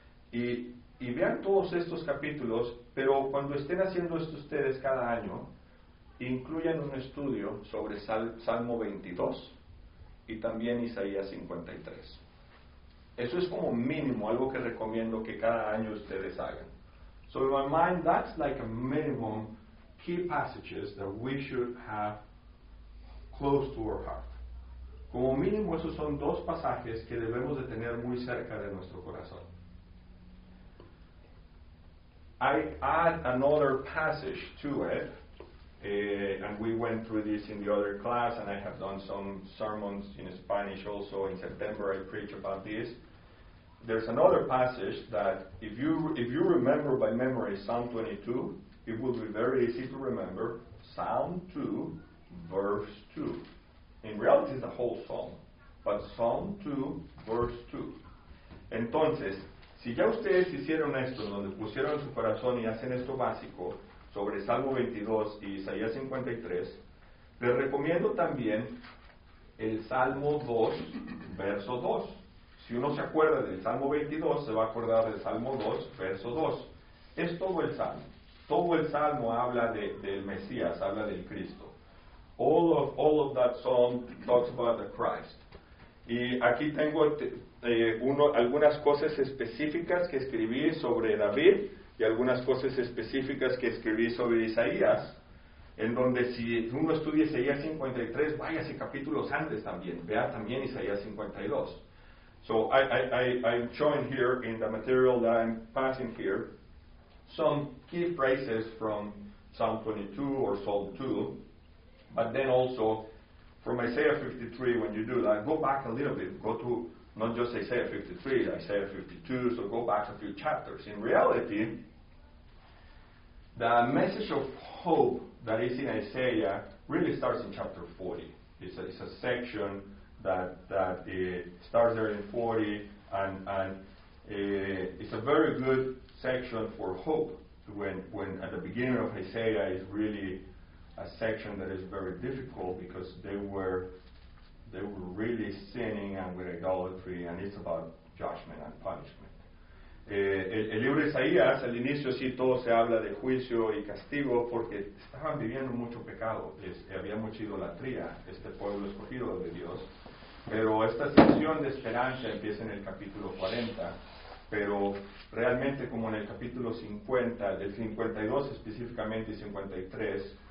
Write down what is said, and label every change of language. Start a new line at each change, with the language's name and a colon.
Spanish: Y vean todos estos capítulos, pero cuando estén haciendo esto ustedes cada año, incluyan un estudio sobre Salmo 22 y también Isaías 53. Eso es como mínimo, algo que recomiendo que cada año ustedes hagan.
English: So in my mind, that's like a minimum key passages that we should have close to our heart.
Spanish: Como mínimo, esos son dos pasajes que debemos de tener muy cerca de nuestro corazón.
English: I add another passage to it, and we went through this in the other class, and I have done some sermons in Spanish also. In September, I preach about this. There's another passage that if you remember by memory Psalm 22, it will be very easy to remember Psalm 2, verse 2. In reality, it's a whole psalm, but Psalm 2, verse 2.
Spanish: Entonces, si ya ustedes hicieron esto, donde pusieron su corazón y hacen esto básico sobre Salmo 22 y Isaías 53, les recomiendo también el Salmo 2, verso 2. Si uno se acuerda del Salmo 22, se va a acordar del Salmo 2, verso 2. Es todo el Salmo. Todo el Salmo habla del Mesías, habla del Cristo.
English: All of that psalm talks about the Christ.
Spanish: Y aquí tengo algunas cosas específicas que escribí sobre David y algunas cosas específicas que escribí sobre Isaías, en donde si uno estudia Isaías 53, váyase capítulos antes también, vea también Isaías 52.
English: So I'm showing here in the material that I'm passing here some key phrases from Psalm 22 or Psalm 2, but then also from Isaiah 53. When you do that, go back a little bit, go to not just Isaiah 53, Isaiah 52, so go back a few chapters. In reality, the message of hope that is in Isaiah really starts in chapter 40. It's a section that it starts there in 40, and it's a very good section for hope when at the beginning of Isaiah is really a section that is very difficult, because they were really sinning and with idolatry, and it's about judgment and punishment.
Spanish: El libro de Isaías, al inicio sí todo se habla de juicio y castigo, porque estaban viviendo mucho pecado, había mucha idolatría, este pueblo escogido de Dios. Pero esta sección de esperanza empieza en el capítulo 40, pero realmente como en el capítulo 50, del 52 específicamente y 53,